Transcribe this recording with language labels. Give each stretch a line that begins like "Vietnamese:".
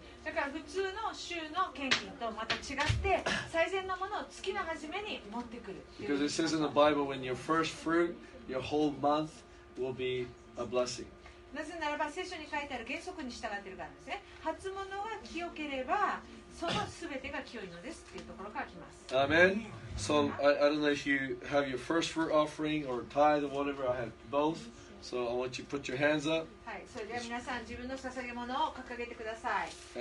Japanese: だから普通の週の献金とまた違って最善のものを月の初めに持ってくる。
English: Because it says in the Bible, when your first fruit, your whole month will be a blessing.
Japanese: なぜならば聖書に書いてある原則に従っているからですね。初物は清ければそのすべてが清いのですっていうところから来ます。
English: Amen. So I don't know if you have your first fruit offering or tithe or whatever. I have both. So I want you to put your hands up.
Japanese: はい。それでは皆さん自分の捧げ物を掲げてください。